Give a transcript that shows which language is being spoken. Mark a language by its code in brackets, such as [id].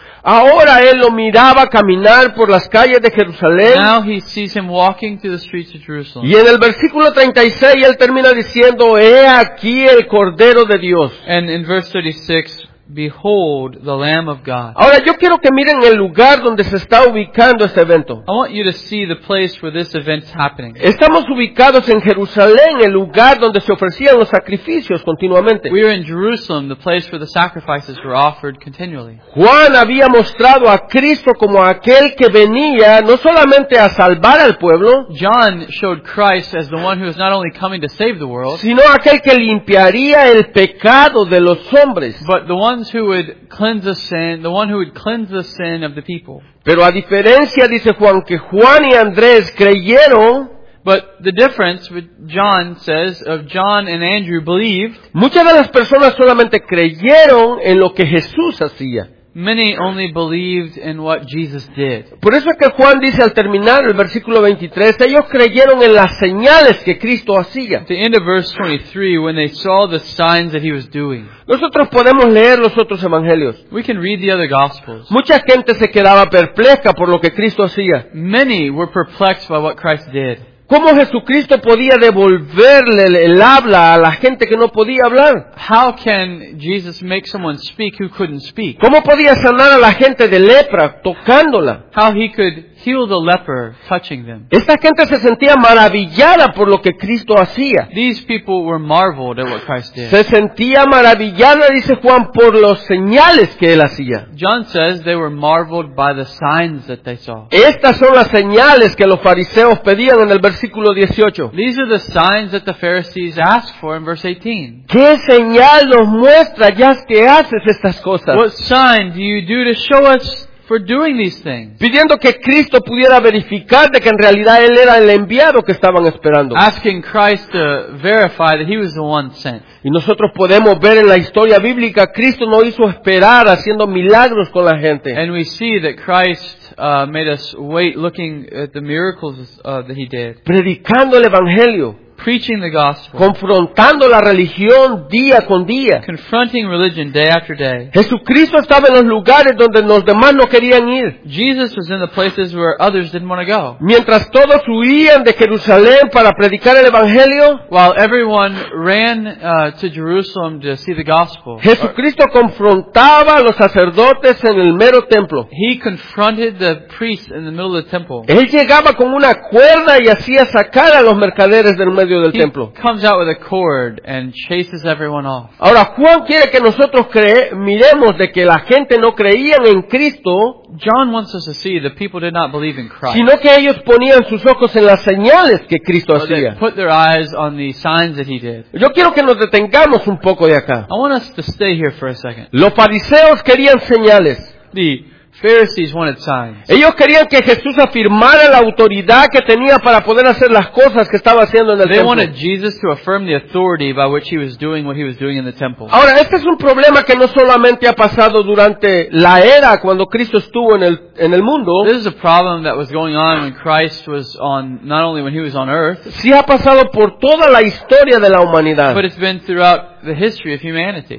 [es] Ahora él lo miraba caminar por las calles de Jerusalén. [en] Now he sees him walking through the streets of Jerusalem. [es] Y en el versículo 36 él termina diciendo, he aquí el Cordero de Dios. [en] And in verse 36, behold the Lamb of God. [es] Ahora yo quiero que miren el lugar donde se está ubicando este evento. [en] I want you to see the place where this event's happening. [es] Estamos ubicados en Jerusalén, el lugar donde se ofrecían los sacrificios continuamente. [en] We are in Jerusalem, the place where the sacrifices were offered continually. [es] Juan había mostrado a Cristo como aquel que venía no solamente a salvar al pueblo. [en] John showed Christ as the one who is not only coming to save the world, [es] sino aquel que limpiaría el pecado de los hombres. [en] But the one who would cleanse the sin of the people. [es] Pero a diferencia, dice Juan, que Juan y Andrés creyeron. [en] But the difference, John says, of John and Andrew believed. [es] Muchas de las personas solamente creyeron en lo que Jesús hacía. [en] Many only believed in what Jesus did. [es] Por eso es que Juan dice al terminar el versículo 23, ellos creyeron en las señales que Cristo hacía. [en] The end of verse 23, when they saw the signs that he was doing. [es] Nosotros podemos leer los otros evangelios. [en] We can read the other gospels. [es] Mucha gente se quedaba perpleja por lo que Cristo hacía. [en] Many were perplexed by what Christ did. [es] ¿Cómo Jesucristo podía devolverle el habla a la gente que no podía hablar? [en] How can Jesus make someone speak who couldn't speak? [es] ¿Cómo podía sanar a la gente de lepra tocándola? [en] How he could heal the leper touching them. [es] Esta gente se sentía maravillada por lo que Cristo hacía. [en] These people were marveled at what Christ did. [es] Se sentía maravillada, dice Juan, por los señales que él hacía. [en] John says they were marveled by the signs that they saw. [es] Estas son las señales que los fariseos pedían en el versículo 18. [en] These are the signs that the Pharisees asked for in verse 18. [es] ¿Qué señal nos muestra ya que haces estas cosas? [en] What sign do you do to show us for doing these things? [es] Pidiendo que Cristo pudiera verificar de que en realidad él era el enviado que estaban esperando. [en] Asking Christ to verify that he was the one sent. [es] Y nosotros podemos ver en la historia bíblica, Cristo no hizo esperar haciendo milagros con la gente. [en] And we see that Christ made us wait looking at the miracles that he did. [es] Predicando el evangelio. [en] Preaching the gospel. [es] Confrontando la religión día con día. [en] Confronting religion day after day. [es] Jesucristo estaba en los lugares donde los demás no querían ir. [en] Jesus was in the places where others didn't want to go. [es] Mientras todos huían de Jerusalén para predicar el evangelio, [en] while everyone ran to Jerusalem to see the gospel, [es] Jesucristo confrontaba a los sacerdotes en el mero templo. [en] He confronted the priests in the middle of the temple. [es] Él llegaba con una cuerda y hacía sacar a los mercaderes del medio del templo. [en] He comes out with a cord and chases everyone off. [es] Ahora Juan quiere que nosotros miremos de que la gente no creían en Cristo. [en] John wants us to see that people did not believe in Christ. [es] Sino que ellos ponían sus ojos en las señales que Cristo hacía. [en] They put their eyes on the signs that he did. [es] Yo quiero que nos detengamos un poco de acá. [en] I want us to stay here for a second. [es] Los fariseos querían señales. [en] Pharisees wanted signs. [es] Ellos querían que Jesús afirmara la autoridad que tenía para poder hacer las cosas que estaba haciendo en el templo. [en] They wanted Jesus to affirm the authority by which he was doing what he was doing in the temple. [es] Ahora, este es un problema que no solamente ha pasado durante la era cuando Cristo estuvo en el mundo. [en] This is a problem that was going on when Christ was on, not only when he was on earth. [es] Sí ha pasado por toda la historia de la humanidad. [en] But it's been throughout the history of humanity.